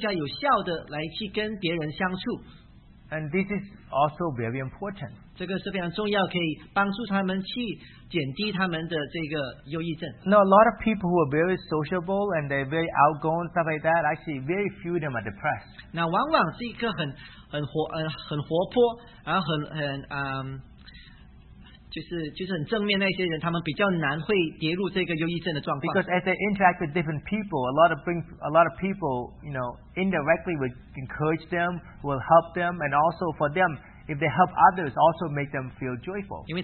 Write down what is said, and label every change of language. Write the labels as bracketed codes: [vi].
[zh] 那是专注在教导他们怎么去更加有效的来去跟别人相处。 [en] And this is also very important. [zh] 这个是非常重要，可以帮助他们去减低他们的这个忧郁症。 [en] Now, a lot of people who are very sociable and they're very outgoing, stuff like that, actually, very few of them are depressed. [zh] 那往往是一个很活泼，然后很正面那些人，他们比较难会跌入这个忧郁症的状况。 [en] Because as they interact with different people, a lot of people, you know, indirectly would encourage them, will help them, and also for them, if they help others, also make them feel joyful.